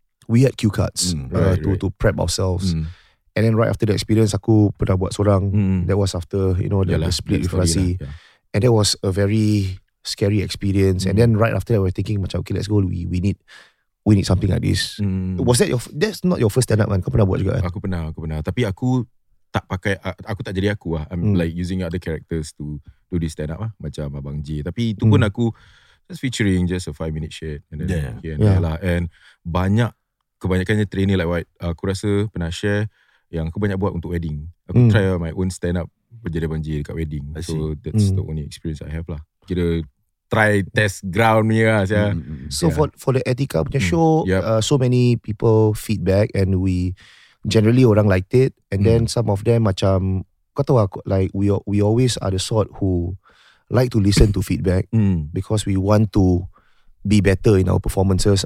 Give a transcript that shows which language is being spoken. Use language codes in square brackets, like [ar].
[en] We had cue cards to prep ourselves. And then right after the experience, [ms] aku pernah buat seorang. [en] That was after, you know, the split with Razi. And that was a very scary experience. And then right after that, we're thinking [ms] macam, [en] okay, let's go. We need something like this. Was that that's not your first stand-up, man? [ms] Kau pernah buat juga, kan? Aku pernah. Tapi aku tak pakai, aku tak jadi aku lah. [en] I'm like using other characters to do this stand up lah, macam Abang J. [ms] Tapi itu pun aku [en] just featuring just a 5-minute shit and then lah. [ms] And banyak, kebanyakannya trainer [en] like what [ms] aku rasa pernah share, yang aku banyak buat untuk wedding. Aku [en] try my own stand up [ms] berjadi Abang J dekat wedding. [en] So that's the only experience I have lah. [ms] Kira try test ground ni lah. [en] So for the Etika punya show, so many people feedback and we generally [ms] orang [en] liked it. And then some of them [ms] macam, kau tahu aku, [en] like we always are the sort who like to listen to feedback because we want to be better in our performances.